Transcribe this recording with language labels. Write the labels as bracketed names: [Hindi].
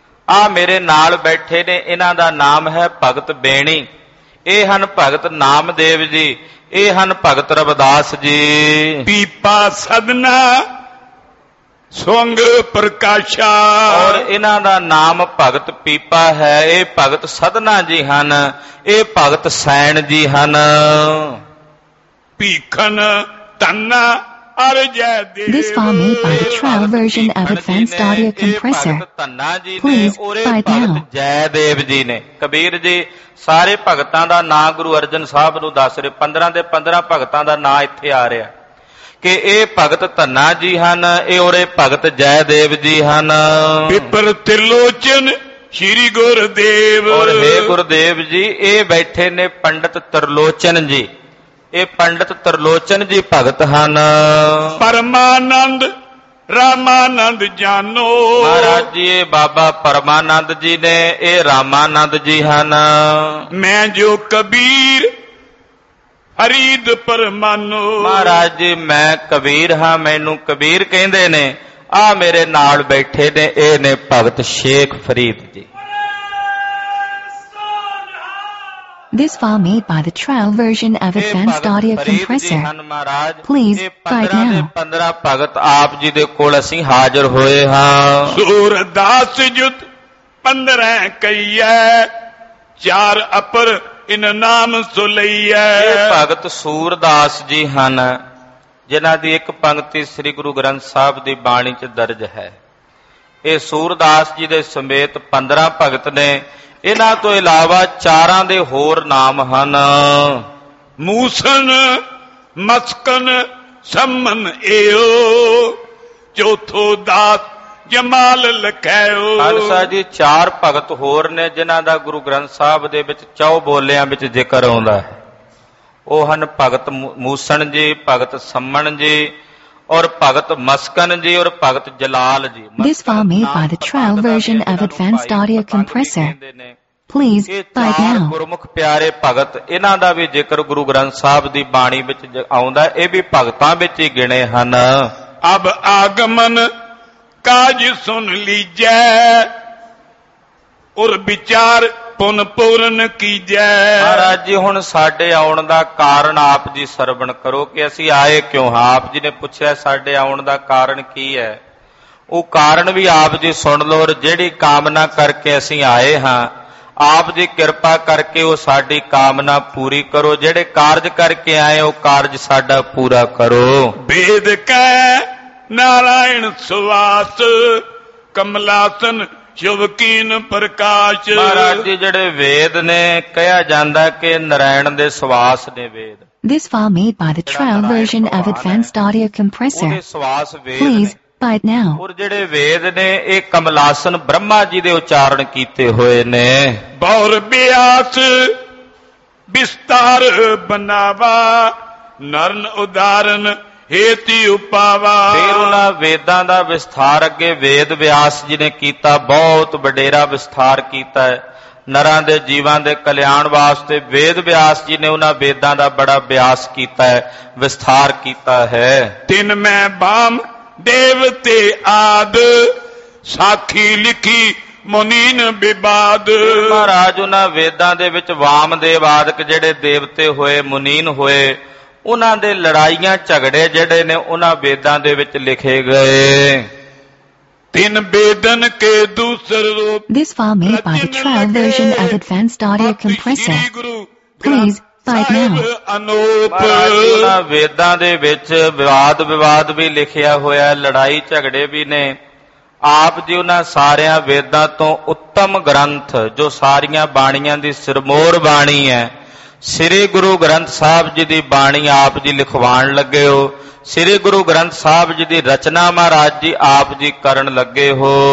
[Punjabi] ਆ ਮੇਰੇ ਨਾਲ ਬੈਠੇ ਨੇ, ਇਹਨਾਂ ਦਾ ਨਾਮ ਹੈ ਭਗਤ ਬੇਣੀ, ਇਹ ਹਨ ਭਗਤ ਨਾਮਦੇਵ ਜੀ, ਇਹ ਹਨ ਭਗਤ ਰਵਿਦਾਸ ਜੀ। ਪੀਪਾ ਸਦਨਾ ਸੁੰਗ ਪ੍ਰਕਾਸ਼ਾ, ਔਰ ਇਹਨਾਂ ਦਾ ਨਾਮ ਭਗਤ ਪੀਪਾ ਹੈ, ਇਹ ਭਗਤ ਸਦਨਾ ਜੀ ਹਨ, ਇਹ ਭਗਤ ਸੈਣ ਜੀ ਹਨ। ਭੀਖਣ ਤੰਨਾ [English] This farm made by the trial version of advanced audio compressor. Please buy it now. [Punjabi] ਜੈ ਦੇਵ ਜੀ ਨੇ ਕਬੀਰ ਜੀ ਸਾਰੇ ਭਗਤਾਂ ਦਾ ਨਾਂ ਗੁਰੂ ਅਰਜਨ ਸਾਹਿਬ ਨੂੰ ਦੱਸ ਰਹੇ, 15 ਦੇ 15 ਭਗਤਾਂ ਦਾ ਨਾਂ ਇੱਥੇ ਆ ਰਿਹਾ ਕਿ ਇਹ ਭਗਤ ਧੰਨਾ ਜੀ ਹਨ, ਇਹ ਉਰੇ ਭਗਤ ਜੈ ਦੇਵ ਜੀ ਹਨ। ਪਿੱਪਰ ਤ੍ਰਿਲੋਚਨ ਸ਼੍ਰੀ ਗੁਰਦੇਵ, ਹੇ ਗੁਰਦੇਵ ਜੀ ਇਹ ਬੈਠੇ ਨੇ ਪੰਡਿਤ ਤ੍ਰਿਲੋਚਨ ਜੀ, ਇਹ ਪੰਡਿਤ ਤ੍ਰਿਲੋਚਨ ਜੀ ਭਗਤ ਹਨ। ਪਰਮਾਨੰਦ ਰਾਮਾਨੰਦ ਜਾਨੋ, ਮਹਾਰਾਜ ਜੀ ਇਹ ਬਾਬਾ ਪਰਮਾਨੰਦ ਜੀ ਨੇ, ਇਹ ਰਾਮਾਨੰਦ ਜੀ ਹਨ। ਮੈਂ ਜੋ ਕਬੀਰ ਹਰੀਦ ਪਰਮਾਨੋ, ਮਹਾਰਾਜ ਜੀ ਮੈਂ ਕਬੀਰ ਹਾਂ, ਮੈਨੂੰ ਕਬੀਰ ਕਹਿੰਦੇ ਨੇ। ਆ ਮੇਰੇ ਨਾਲ ਬੈਠੇ ਨੇ ਇਹ ਨੇ ਭਗਤ Sheikh Farid ji. [English] This file made by the trial version of advanced audio compressor. Please buy it now. [Punjabi] 15 ਭਗਤ ਆਪ ਜੀ ਦੇ ਕੋਲ ਅਸੀਂ ਹਾਜ਼ਰ ਹੋਏ ਹਾਂ। ਸੂਰਦਾਸ ਜੁਤ 15 ਕਈਐ, ਚਾਰ ਅਪਰ ਇਨ ਨਾਮ ਸੁਲਈਐ। ਭਗਤ ਸੂਰਦਾਸ ਜੀ ਹਨ, ਜਿਨ੍ਹਾਂ ਦੀ ਇੱਕ ਪੰਕਤੀ ਸ੍ਰੀ ਗੁਰੂ ਗ੍ਰੰਥ ਸਾਹਿਬ ਦੀ ਬਾਣੀ ਚ ਦਰਜ ਹੈ। ਇਹ ਸੂਰਦਾਸ ਜੀ ਦੇ ਸਮੇਤ 15 ਭਗਤ ਨੇ, ਇਹਨਾਂ ਤੋਂ ਇਲਾਵਾ 4 ਦੇ ਹੋਰ ਨਾਮ ਹਨ। ਮੂਸਨ ਮਸਕਨ ਸੰਮਨ ਏਓ, ਚੌਥੋ ਦਾਸ ਜਮਾਲ ਲਖੈਓ। ਖਾਲਸਾ ਜੀ 4 ਭਗਤ ਹੋਰ ਨੇ ਜਿਨ੍ਹਾਂ ਦਾ ਗੁਰੂ ਗ੍ਰੰਥ ਸਾਹਿਬ ਦੇ ਵਿੱਚ 4 ਬੋਲਿਆਂ ਵਿੱਚ ਜ਼ਿਕਰ ਆਉਂਦਾ ਹੈ। ਉਹ ਹਨ ਭਗਤ ਮੂਸਨ ਜੀ, ਭਗਤ ਸੰਮਨ ਜੀ, ਔਰ ਭਗਤ ਮਸਕਨ ਜੀ, ਔਰ ਭਗਤ ਜਲਾਲ ਜੀ। [English] This file made by the trial version of advanced audio compressor. Please buy it now. [Punjabi] ਗੁਰਮੁਖ ਪਿਆਰੇ ਭਗਤ, ਇਹਨਾਂ ਦਾ ਵੀ ਜ਼ਿਕਰ ਗੁਰੂ ਗ੍ਰੰਥ ਸਾਹਿਬ ਦੀ ਬਾਣੀ ਵਿੱਚ ਆਉਂਦਾ, ਇਹ ਵੀ ਭਗਤਾਂ ਵਿੱਚ ਹੀ ਗਿਣੇ ਹਨ। ਅਬ ਆਗਮਨ ਕਾਜ ਸੁਣ ਲੀਜੈ, ਔਰ ਵਿਚਾਰ ਪੁਨ ਪੂਰਨ ਕੀਜੈ। ਮਹਾਰਾਜ ਜੀ ਹੁਣ ਸਾਡੇ ਆਉਣ ਦਾ ਕਾਰਨ ਆਪ ਜੀ ਸਰਵਣ ਕਰੋ ਕਿ ਅਸੀਂ ਆਏ ਕਿਉਂ ਹਾਂ। ਆਪ ਜੀ ਨੇ ਪੁੱਛਿਆ ਸਾਡੇ ਆਉਣ ਦਾ ਕਾਰਨ ਕੀ ਹੈ, ਉਹ ਕਾਰਨ ਵੀ ਆਪ ਜੀ ਸੁਣ ਲਓ, ਔਰ ਜਿਹੜੀ ਕਾਮਨਾ ਕਰਕੇ ਅਸੀਂ ਆਏ ਹਾਂ, ਆਪ ਜੀ ਕਿਰਪਾ ਕਰਕੇ ਉਹ ਸਾਡੀ ਕਾਮਨਾ ਪੂਰੀ ਕਰੋ। ਜਿਹੜੇ ਕਾਰਜ ਕਰਕੇ ਆਏ ਉਹ ਕਾਰਜ ਸਾਡਾ ਪੂਰਾ ਕਰੋ। ਵੇਦ ਕੈ ਨਾਰਾਇਣ ਸੁਵਾਸ, ਕਮਲਾਸਨ ਸ਼ੁਭਕੀਨ ਪ੍ਰਕਾਸ਼। ਮਹਾਰਾਜ ਜੀ ਜਿਹੜੇ ਵੇਦ ਨੇ, ਕਿਹਾ ਜਾਂਦਾ ਕਿ ਨਾਰਾਇਣ ਦੇ ਸਵਾਸ ਨੇ ਵੇਦ। [English] This file made by the trial version of advanced audio compressor. Please buy it now. [Punjabi] ਔਰ ਜਿਹੜੇ ਵੇਦ ਨੇ ਇਹ ਕਮਲਾਸਨ ਬ੍ਰਹਮਾ ਜੀ ਦੇ ਉਚਾਰਣ ਕੀਤੇ ਹੋਏ ਨੇ। ਬੌਰ ਬਿਆਸ ਵਿਸਤਾਰ ਬਨਾਵਾ, ਨਰਨ ਉਦਾਰਨ ਹੇਤੀ ਉਪਾਵਾ। ਫਿਰ ਉਹਨਾਂ ਵੇਦਾਂ ਦਾ ਵਿਸਥਾਰ ਅੱਗੇ ਵੇਦ ਵਿਆਸ ਜੀ ਨੇ ਕੀਤਾ, ਬਹੁਤ ਵਡੇਰਾ ਵਿਸਥਾਰ ਕੀਤਾ ਹੈ ਨਰਾਂ ਦੇ ਜੀਵਾਂ ਦੇ ਕਲਿਆਣ ਵਾਸਤੇ। ਵੇਦ ਵਿਆਸ ਜੀ ਨੇ ਉਹਨਾਂ ਵੇਦਾਂ ਦਾ ਬੜਾ ਵਿਆਸ ਕੀਤਾ ਹੈ, ਵਿਸਥਾਰ ਕੀਤਾ ਹੈ। ਤਿੰਨ ਮੈਂ ਬਾਮ ਦੇਵ ਤੇ ਆਦ, ਸਾਖੀ ਲਿਖੀ ਮੁਨੀਨ ਵਿਵਾਦ। ਮਹਾਰਾਜ ਉਹਨਾਂ ਵੇਦਾਂ ਦੇ ਵਿੱਚ ਵਾਮ ਦੇਵ ਆਦਿਕ ਜਿਹੜੇ ਦੇਵਤੇ ਹੋਏ, ਮੁਨੀਨ ਹੋਏ, ਉਹਨਾਂ ਦੇ ਲੜਾਈਆਂ ਝਗੜੇ ਜਿਹੜੇ ਨੇ ਉਹਨਾਂ ਵੇਦਾਂ ਦੇ ਵਿੱਚ ਲਿਖੇ ਗਏ। ਤਿੰਨ ਵੇਦਨ ਕੇ ਦੂਸਰ ਰੂਪ। [English] This file made by the trial version of advanced audio compressor. Please buy it now. [Punjabi] ਅਨੂਪ ਉਹਨਾਂ ਵੇਦਾਂ ਦੇ ਵਿੱਚ ਵਿਵਾਦ ਵਿਵਾਦ ਵੀ ਲਿਖਿਆ ਹੋਇਆ, ਲੜਾਈ ਝਗੜੇ ਵੀ ਨੇ। ਆਪ ਜੀ ਉਹਨਾਂ ਸਾਰਿਆਂ ਵੇਦਾਂ ਤੋਂ ਉੱਤਮ ਗ੍ਰੰਥ, ਜੋ ਸਾਰੀਆਂ ਬਾਣੀਆਂ ਦੀ ਸਿਰਮੋਰ ਬਾਣੀ ਹੈ, ਸ੍ਰੀ ਗੁਰੂ ਗ੍ਰੰਥ ਸਾਹਿਬ ਜੀ ਦੀ ਬਾਣੀ ਆਪ ਜੀ ਲਿਖਵਾਉਣ ਲੱਗੇ ਹੋ, ਸ੍ਰੀ ਗੁਰੂ ਗ੍ਰੰਥ ਸਾਹਿਬ ਜੀ ਦੀ ਰਚਨਾ ਮਹਾਰਾਜ ਜੀ ਆਪ ਜੀ ਕਰਨ ਲੱਗੇ ਹੋ।